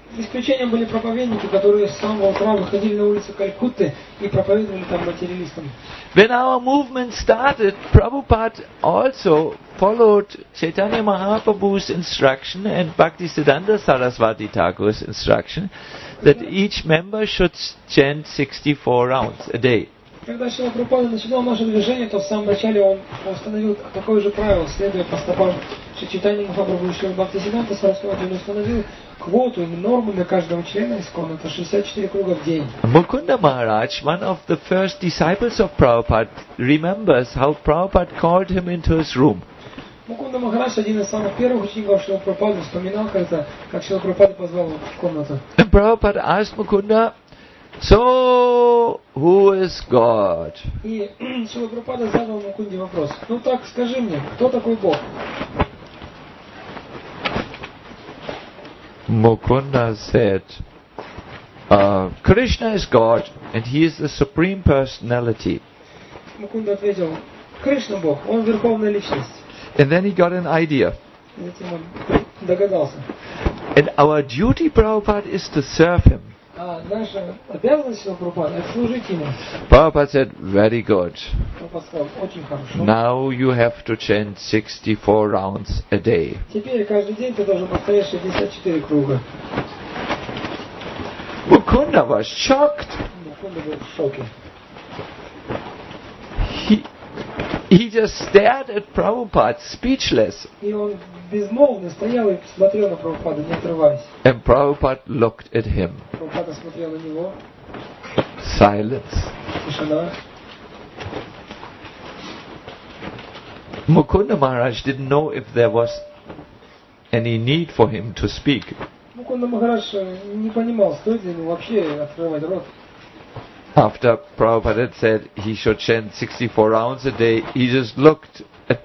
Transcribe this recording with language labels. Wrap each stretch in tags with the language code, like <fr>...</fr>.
<ru>Исключением были проповедники, которые с самого утра выходили на улицы Калькутты и проповедовали там материалистам.</ru> <en>When our movement started, Prabhupada also followed Chaitanya Mahaprabhu's instruction and Bhaktisiddhanta Saraswati Thakur's instruction that each member should chant 64 rounds a day.</en> <ru>Когда Шрила Прабхупада начинал наше движение, то в самом начале он установил такое же правило, следуя по стопам Чайтаньи Махапрабху и Шрила Бхактисиддханта Сарасвати, он установил квоту, норму для каждого члена ИСККОН, это 64 круга в день.</ru> <en>Mukunda Maharaj, one of the first disciples of Prabhupada, remembers how Prabhupada called him into his room.</en> <ru>Mukunda Maharaj, один из самых первых учеников Шрилы Прабхупады, вспоминал, как Шрила Прабхупада позвал его в комнату.</ru> <en>And Prabhupada asked Mukunda, so who is God?</en> <ru>И Шрила Прабхупада задал Мукунде вопрос. Ну так, скажи мне, кто такой Бог?</ru> <en>Mukunda said, Krishna is God and he is the Supreme Personality.</en> <ru>Mukunda ответил, Кришна Бог, он верховная личность.</ru> <en>And then he got an idea.</en> <ru>Затем он догадался.</ru> <en>And our duty, Prabhupada, is to serve him.</en> <ru>А наша обязанность Шрилы Прабхупады это служить ему.</ru> <en>Prabhupada said, very good.</en> <ru>Прабхупада сказал, очень хорошо.</ru> <en>Now you have to chant 64 rounds a day.</en> <ru>Теперь каждый день ты должен повторять 64 круга.</ru> <en>Mukunda was shocked.</en> <ru>Mukunda был в шоке.</ru> <en>He just stared at Prabhupada, speechless.</en> <ru>И он безмолвно стоял и смотрел на Прабхупаду, не отрываясь.</ru> <en>And Prabhupada looked at him.</en> <ru>Прабхупада смотрел на него.</ru> <en>Silence.</en> <ru>Тишина.</ru> <en>Mukunda Maharaj didn't know if there was any need for him to speak.</en> <ru>Mukunda Maharaj не понимал, стоит ли ему вообще открывать рот.</ru> <en>After Prabhupada had said he should chant 64 rounds a day, he just looked at</en>